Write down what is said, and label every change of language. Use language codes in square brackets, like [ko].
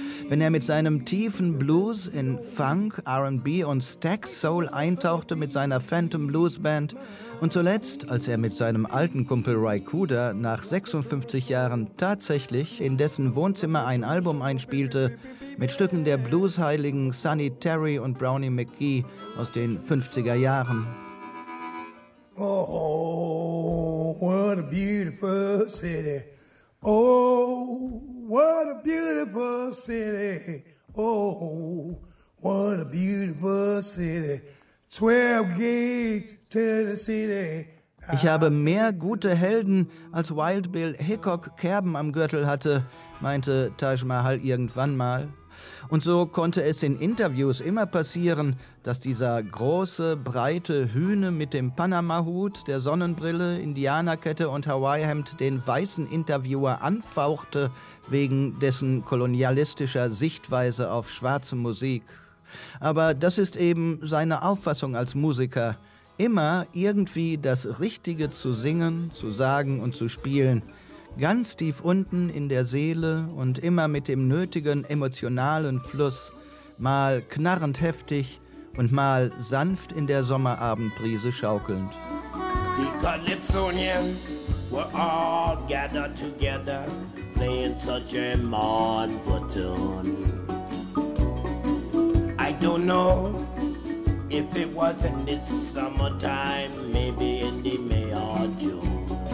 [de] wenn er mit seinem tiefen Blues in Funk, R&B und Stack Soul eintauchte mit seiner Phantom Blues Band und zuletzt, als er mit seinem alten Kumpel Ray Cooder nach 56 Jahren tatsächlich in dessen Wohnzimmer ein Album einspielte mit Stücken der Bluesheiligen Sonny Terry und Brownie McGhee aus den 50er Jahren. [en] Oh, what a beautiful city. Oh, what a beautiful city. Oh, what a beautiful city. 12 Gates, Tennessee. Day. [de] Ich habe mehr gute Helden, als Wild Bill Hickok Kerben am Gürtel hatte, meinte Taj Mahal irgendwann mal. Und so konnte es in Interviews immer passieren, dass dieser große, breite Hühne mit dem Panama-Hut, der Sonnenbrille, Indianerkette und Hawaii-Hemd den weißen Interviewer anfauchte wegen dessen kolonialistischer Sichtweise auf schwarze Musik. Aber das ist eben seine Auffassung als Musiker. immer irgendwie das Richtige zu singen, zu sagen und zu spielen. Ganz tief unten in der Seele und immer mit dem nötigen emotionalen Fluss, mal knarrend heftig und mal sanft in der Sommerabendbrise schaukelnd. [en] Die Calypsonians were all gathered together, playing such a mournful tune. I don't know if it was in this summertime, maybe in the May or June.